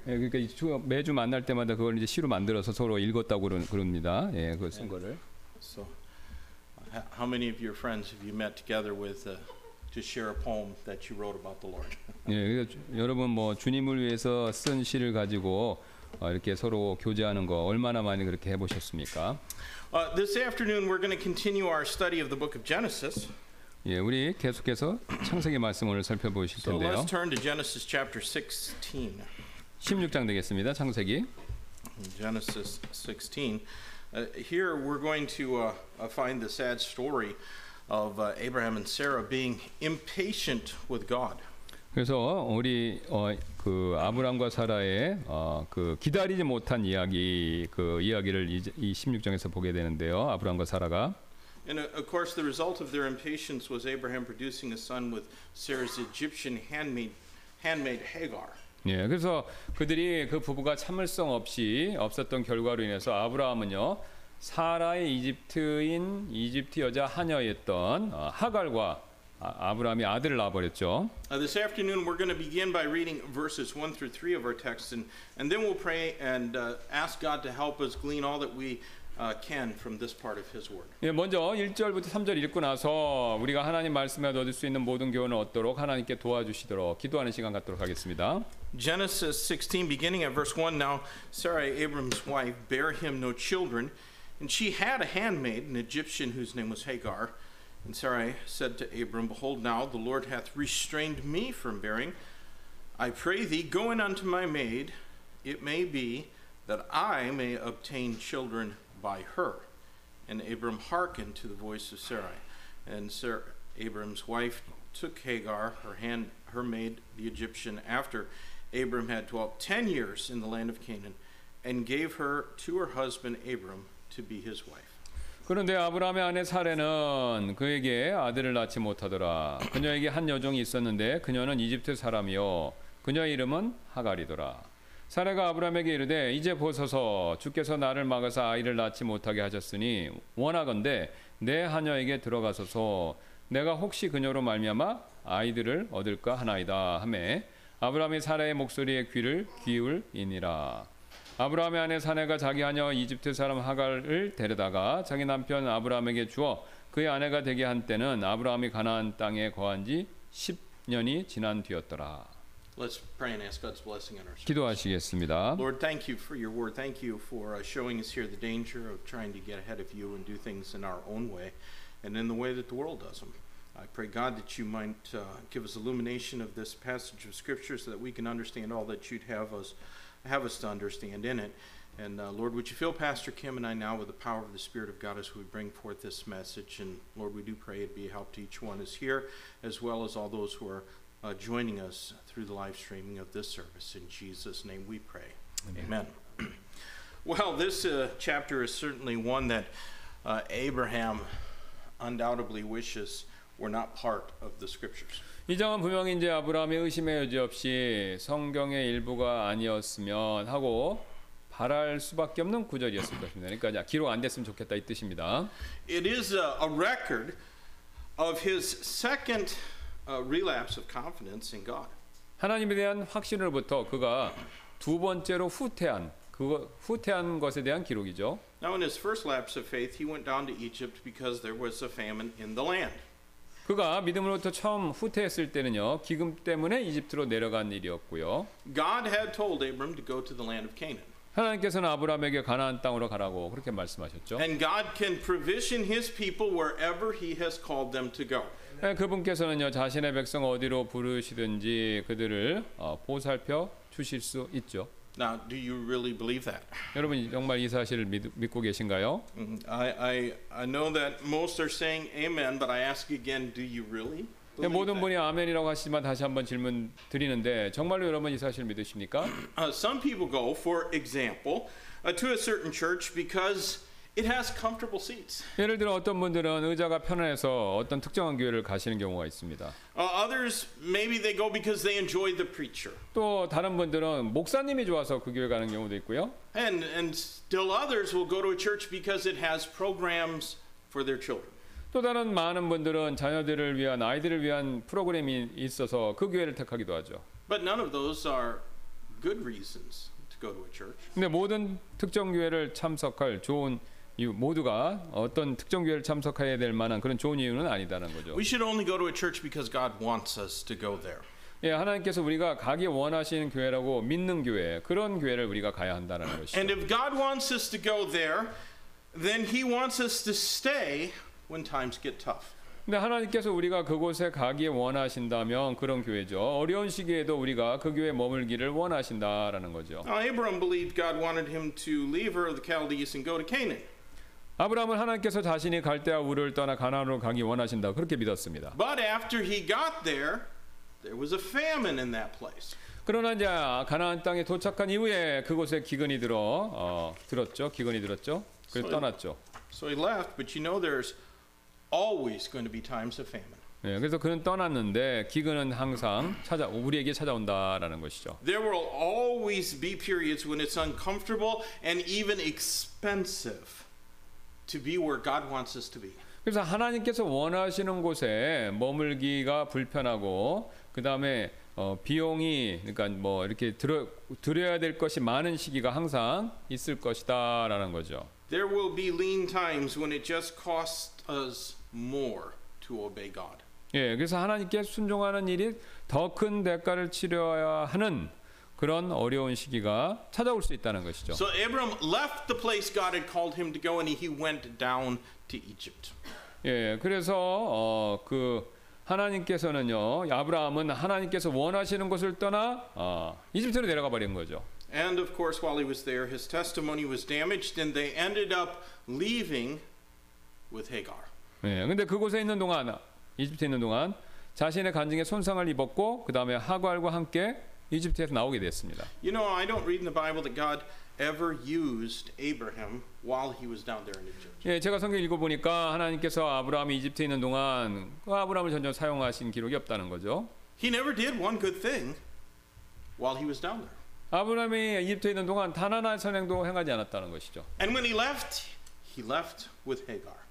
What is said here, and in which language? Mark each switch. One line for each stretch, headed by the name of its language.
Korean: 예, 그러니까 매주 만날 때마다 그걸 이제 시로 만들어서 서로 읽었다고 그럽니다. 예, 그걸 쓴 거를.
English: So, how many of your friends have you met together with to share a poem that you wrote about the Lord.
Korean: 예, 그래서 여러분 뭐 주님을 위해서 쓴 시를 가지고 이렇게 서로 교제하는 거 얼마나 많이 그렇게 해보셨습니까?
English: This afternoon we're going to continue our study of the book of Genesis.
Korean: 예, 우리 계속해서 창세기 말씀을 살펴보실 텐데요.
English: So let's turn to Genesis chapter 16.
Korean: 16장 되겠습니다. 창세기.
English: Genesis 16. Here we're going to find the sad story of Abraham and Sarah being impatient with God.
Korean: 그래서 우리 그 아브라함과 사라의 그 기다리지 못한 이야기 그 이야기를 이제 이 16장에서 보게 되는데요. 아브라함과 사라가
English: And of course the result of their impatience was Abraham producing a son with Sarah's Egyptian handmaid Hagar.
Korean: 예, 그래서 그들이 그 부부가 참을성 없이 없었던 결과로 인해서 아브라함은요 사라의 이집트인 이집트 여자 하녀였던 하갈과 아브라함이 아들을 낳아버렸죠.
English: This afternoon we're going to begin by reading verses 1 through 3 of our text, and then we'll pray and ask God to help us glean all that we can from this part of His word.
Korean: 예, 먼저 1절부터 3절 읽고 나서 우리가 하나님 말씀에 얻을 수 있는 모든 교훈을 얻도록 하나님께 도와주시도록 기도하는 시간 갖도록 하겠습니다.
English: Genesis 16, beginning at verse 1. Now Sarai, Abram's wife, bare him no children, and she had a handmaid, an Egyptian, whose name was Hagar. And Sarai said to Abram, Behold, now the Lord hath restrained me from bearing. I pray thee, go in unto my maid. It may be that I may obtain children by her. And Abram hearkened to the voice of Sarai. And Abram's wife took Hagar, her maid, the Egyptian, after Abram had dwelt 10 years in the land of Canaan, and gave her to her husband Abram to be his wife.
Korean: 그런데 아브라함의 아내 사라는 그에게 아들을 낳지 못하더라. 그녀에게 한 여종이 있었는데 그녀는 이집트 사람이요. 그녀의 이름은 하갈이더라. 사라가 아브라함에게 이르되 이제 보소서 주께서 나를 막아서 아이를 낳지 못하게 하셨으니 원하건대 내 하녀에게 들어가소서 내가 혹시 그녀로 말미암아 아이들을 얻을까 하나이다 하매 아브라함이 사라의 목소리에 귀를 기울이니라. 아브라함의 아내 사내가 자기 하녀 이집트 사람 하갈을 데려다가 자기 남편 아브라함에게 주어 그의 아내가 되게 한 때는 아브라함이 가나안 땅에 거한 지 10년이 지난 뒤였더라.
English: Let's pray and ask God's blessing on our service.
Korean: 기도하시겠습니다.
English: Lord, thank you for your word. Thank you for showing us here the danger of trying to get ahead of you and do things in our own way and in the way that the world does them. I pray God that you might give us illumination of this passage of scripture so that we can understand all that you'd have us to understand in it. And Lord, would you fill Pastor Kim and I now with the power of the Spirit of God as we bring forth this message. And Lord, we do pray it be a help to each one is here, as well as all those who are joining us through the live streaming of this service. In Jesus' name we pray. Amen. Amen. Well, this chapter is certainly one that Abraham undoubtedly wishes were not part of the scriptures.
Korean: 이 점은 분명히 이제 아브라함이 의심의 여지 없이 성경의 일부가 아니었으면 하고 바랄 수밖에 없는 구절이었을 것입니다. 그러니까 기록 안 됐으면 좋겠다 이 뜻입니다.
English: It is a record of his second relapse of confidence in God.
Korean: 하나님에 대한 확신으로부터 그가 두 번째로 후퇴한 후퇴한 것에 대한 기록이죠.
English: Now in his first lapse of faith, he went down to Egypt because there was a famine in the land.
Korean: 그가 믿음으로부터 처음 후퇴했을 때는요 기근 때문에 이집트로 내려간 일이었고요.
English: God had told Abram to go to the land of Canaan.
Korean: 하나님께서는 아브라함에게 가나안 땅으로 가라고 그렇게 말씀하셨죠.
English: And God can provision His people wherever He has called them to go.
Korean: 그분께서는요 자신의 백성 어디로 부르시든지 그들을 보살펴 주실 수 있죠.
English: Now, do you really believe that?
Korean: 여러분 정말 이 사실을 믿고 계신가요?
English: I know that most are saying amen, but I ask again, do you really?
Korean: 네, 모든 분이 아멘이라고 하시지만 다시 한번 질문 드리는데 정말로 여러분 이 사실을 믿으십니까?
English: Some people go, for example, to a certain church because it has comfortable seats.
Korean: 예를 들어 어떤 분들은 의자가 편해서 어떤 특정한 교회를 가시는 경우가 있습니다.
English: Others maybe they go because they enjoy the preacher.
Korean: 또 다른 분들은 목사님이 좋아서 그 교회 가는 경우도 있고요.
English: And still others will go to a church because it has programs for their children.
Korean: 또 다른 많은 분들은 자녀들을 위한 아이들을 위한 프로그램이 있어서 그 교회를 택하기도 하죠.
English: But none of those are good reasons. Go to a church.
Korean: 근데 모든 특정 교회를 참석할 좋은 이 모두가 어떤 특정 교회를 참석해야 될 만한 그런 좋은 이유는 아니다는 거죠.
English: We should only go to a church because God wants us to go there.
Korean: 예, 하나님께서 우리가 가기 원하시는 교회라고 믿는 교회, 그런 교회를 우리가 가야 한다는 것이죠.
English: And if God wants us to go there, then he wants us to stay when times get tough.
Korean: 근데 하나님께서 우리가 그곳에 가기 원하신다면 그런 교회죠. 어려운 시기에도 우리가 그 교회에 머물기를 원하신다라는 거죠.
English: Abraham believed God wanted him to leave Ur of the Chaldees and go to Canaan.
Korean: 아브라함은 하나님께서 자신이 갈대아 우르를 떠나 가나안으로 가기 원하신다 그렇게 믿었습니다.
English: But after he got there, there was a famine in that place.
Korean: 그러나 이제 가나안 땅에 도착한 이후에 그곳에 기근이 들어 기근이 들었죠. 그래서 떠났죠.
English: So he left, but you know there's always going to be times of famine.
Korean: 예, 그래서 그는 떠났는데 기근은 항상 우리에게 찾아온다라는 것이죠.
English: There will always be periods when it's uncomfortable and even expensive to be where God wants us to be.
Korean: 그래서 하나님께서 원하시는 곳에 머물기가 불편하고 그다음에 비용이 그러니까 뭐 이렇게 드려야 될 것이 많은 시기가 항상 있을 것이다라는 거죠.
English: There will be lean times when it just costs us more to obey God.
Korean: 예, 그래서 하나님께 순종하는 일이 더 큰 대가를 치려야 하는 그런 어려운 시기가 찾아올 수 있다는 것이죠.
English: So Abram left the place God had called him to go and he went down to Egypt.
Korean: 예, 그래서 그 하나님께서는요. 아브라함은 하나님께서 원하시는 곳을 떠나 이집트로 내려가 버린 거죠.
English: And of course while he was there his testimony was damaged and they ended up leaving with Hagar.
Korean: 예, 근데 그곳에 있는 동안 이집트에 있는 동안 자신의 간증에 손상을 입었고 그다음에 하갈과 함께 이집트에서 나오게 됐습니다.
English: You know, I don't read in the Bible that God ever used Abraham while he was down there in Egypt.
Korean: 예, 제가 성경 읽어 보니까 하나님께서 아브라함이 이집트에 있는 동안 그 아브라함을 전혀 사용하신 기록이 없다는 거죠.
English: He never did one good thing while he was down there.
Korean: 아브라함이 이집트에 있는 동안 단 하나의 선행도 행하지 않았다는 것이죠.
English: And when he left with Hagar.